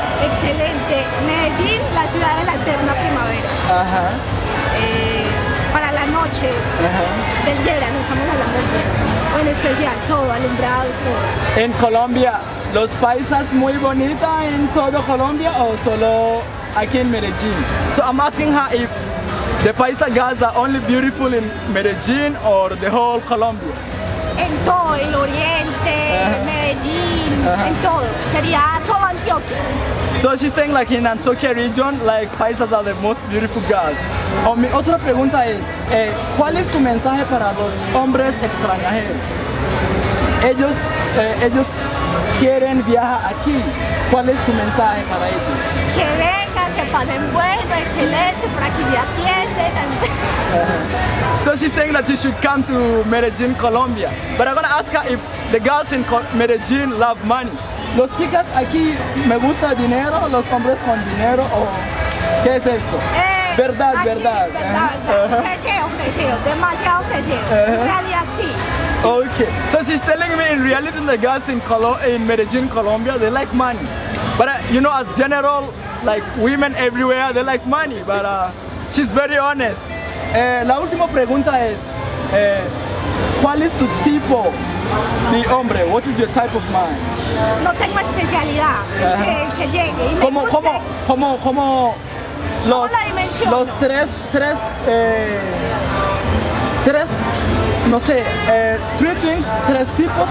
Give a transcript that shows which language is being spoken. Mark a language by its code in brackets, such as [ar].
[es] Excelente. Medellin, la ciudad de la eterna primavera. Ajá. Para la noche. Del yera, nos estamos hablando del yera. En especial, todo alumbrado, todo. En Colombia, ¿los paisas muy bonita en todo Colombia o solo aquí en Medellin? [en] So I'm asking her if the paisa girls are only beautiful in Medellin or the whole Colombia? [es] En todo, el oriente, Medellin, en todo. Sería todo Antioquia. [en] So she's saying like in Antioquia region, like paisas are the most beautiful girls. [es] Oh, mi otra pregunta es, ¿cuál es tu mensaje para los hombres extranjeros? Ellos quieren viajar aquí. ¿Cuál es tu mensaje para ellos? Que vengan, que pasen bueno, excelente, por aquí se atienden. [en] So she's saying that you should come to Medellin, Colombia. But I'm gonna ask her if the girls in Medellin love money. [es] Los chicas aquí me gusta dinero, los hombres con dinero, o ¿qué es esto? Verdad, aquí, verdad. Ofrecido, demasiado ofrecido. Realidad, sí. [en] Okay, so she's telling me in reality the girls in Medellin, Colombia, they like money. But you know, as general, like women everywhere, they like money. But she's very honest. [es] La última pregunta es, ¿cuál es tu tipo de hombre? [en] What is your type of man? [es] No tengo especialidad. Que llegue. Y ¿cómo, me guste? ¿Cómo? Los, ¿cómo la dimensión? Los tres, no sé, [en] three things, [es] tres tipos.